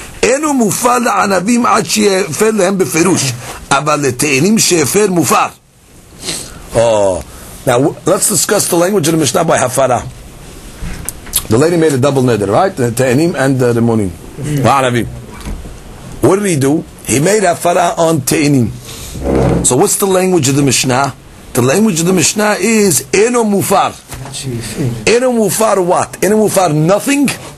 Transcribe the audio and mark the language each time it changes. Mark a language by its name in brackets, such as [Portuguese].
[Hebrew] אינו מופר לענבים עד שיפר להם בפירוש, אבל לתאנים שיפר מופר. [English] Oh, now let's discuss the language of the Mishnah by Hafara. The lady made a double neder, right? The תאנים and the רימונים. הענבים. What did he do? He made Hafara on תאנים. So what's the language of the Mishnah? The language of the Mishnah is אינו מופר. [Hebrew] אינו מופר what? אינו מופר nothing?